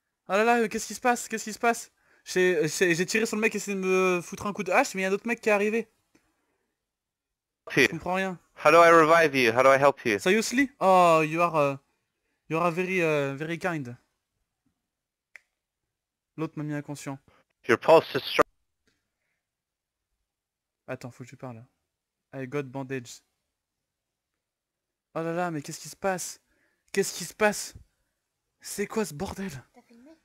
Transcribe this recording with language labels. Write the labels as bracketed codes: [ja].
[fr] Oh là là, mais qu'est-ce qui se passe? Qu'est-ce qui se passe? J'ai tiré sur le mec qui essaie de me foutre un coup de hache, mais il y a un autre mec qui est arrivé. Je comprends rien. [en] How do I revive you? How do I help you? Seriously? Oh, you are very very kind. [fr] L'autre m'a mis inconscient. [en] Your pulse is strong. [fr] Attends, faut que je parle. [en] I got bandage. [fr] Oh là là, mais qu'est-ce qui se passe? Qu'est-ce qui se passe? C'est quoi ce bordel? T'as filmé?